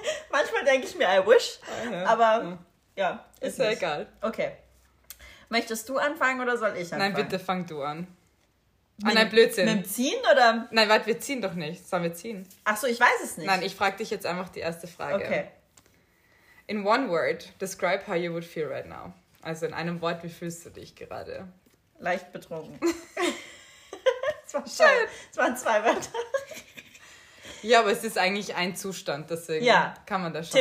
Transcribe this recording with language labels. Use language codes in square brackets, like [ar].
[de] Manchmal denke ich mir, [en] I wish. [de] Aha. Aber ja. Ist ja nicht. Egal. Okay. Möchtest du anfangen oder soll ich anfangen? Nein, bitte fang du an. Ah, nein, Blödsinn. Mit dem Ziehen oder? Nein, warte, wir ziehen doch nicht. Sollen wir ziehen? Ach so, ich weiß es nicht. Nein, ich frage dich jetzt einfach die erste Frage. Okay. [en] In one word, describe how you would feel right now. [de] Also in einem Wort, wie fühlst du dich gerade? Leicht betrunken. Es waren zwei Wörter. Ja, aber es ist eigentlich ein Zustand, deswegen kann man das schon.